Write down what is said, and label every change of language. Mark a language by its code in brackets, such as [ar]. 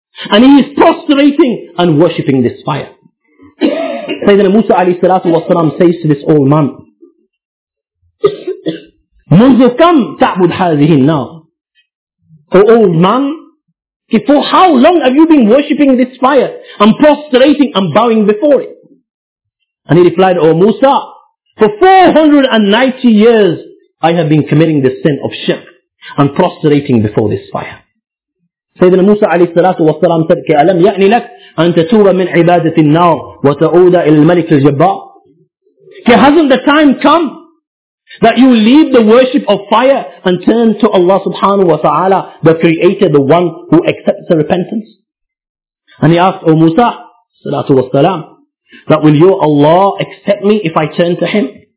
[en] And he is prostrating and worshipping this fire. Sayyidina Musa alayhi salatu wasalam says to this old man, [ar] منذ كم تعبد هذه النار؟ [en] O old man, for how long have you been worshipping this fire and prostrating and bowing before it? And he replied, O Musa, for 490 years I have been committing the sin of shirk and prostrating before this fire. Sayyidina Musa alayhi salatu wa salam said, [ar] كَأَلَمْ يَأْنِ لَكْ أَن تَتُوبَ مِنْ عِبَادَةِ النَّارِ وَتَعُودَ إِلَى الْمَلِكِ الْجَبَّارِ. [en] Hasn't the time come that you leave the worship of fire and turn to Allah subhanahu wa ta'ala, the creator, the one who accepts the repentance? And he asked, O Musa salatu wa salam, that will your Allah accept me if I turn to him?